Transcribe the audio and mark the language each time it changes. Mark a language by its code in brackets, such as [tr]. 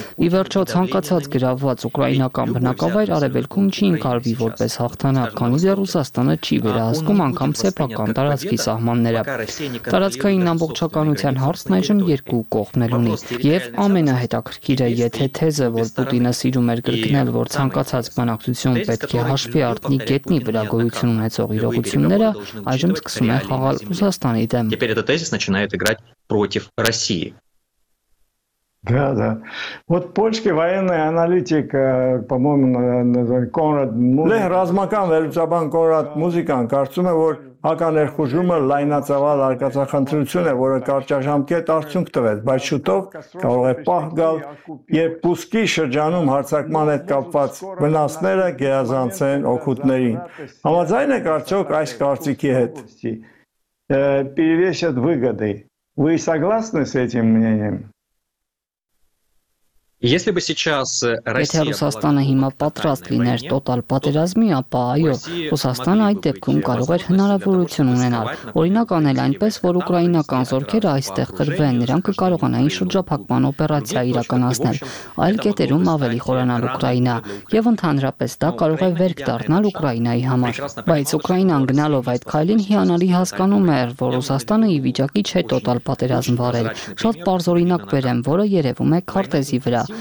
[hy] Ի վերջո ցանկացած գրաված ուկրաինական բնակավայր արևելքում չի ընկալվի որպես հաղթանակ, քանի դեռ Ռուսաստանը չի վերահսկում անգամ սեփական տարածքի սահմանները։ Տարածքային ամբողջականության հարցն այժմ երկու կողմներ ունի, եւ ամենահետաքրքիրը, եթե թեզը, որ Պուտինը սիրում էր գրկնել, որ ցանկացած բնակցություն պետք է հաշվի առնի գետնի վրա գոյություն ունեցող իրողությունները, այժմ սկսում է խաղալ Ռուսաստանի [ru] Теперь этот тезис начинает играть против России. Да, да. Вот польский военный аналитик, по-моему, Конрад Музикан. Лех Размакан, Верцабан Конрад Музикан, кажется, вот [hy] Ականեր խոժումը լայնացավալ արկածախնդրությունը, որը կարճաժամկետ արդյունք տվեց, բայց շուտով կարող է պահ գալ, երբ Պուսկի շրջանում հարձակման հետ կապված վնասները գերազանցեն օգուտներին։ Համաձայն եք արդյոք այս կարծիքի հետ։ [ru] Перевесят выгоды. Вы согласны с этим мнением? Если бы сейчас Россия [hy] Ռուսաստանը հիմա պատրաստ լիներ տոտալ պատերազմի, ապա այո, Ռուսաստանը այդ դեպքում կարող էր հնարավորություն ունենալ, օրինակ անել այնպես, որ ուկրաինական զորքերը այստեղ կրվեն, նրանք կարողանային շրջափակման օպերացիա իրականացնել, այլ կետերում ավելի խորանալ Ուկրաինա, եւ ընդհանրապես դա կարող է վերք դառնալ Ուկրաինայի համար։ Բայց Ուկրաինան գնալով այդ քայլին հիանալի հասկանում էր, որ Ռուսաստանը ի վիճակի չէ տոտալ պատերազմ վարել։ Շատ պարզ օրինակ բերեմ, որը երևում է քարտեզի վրա։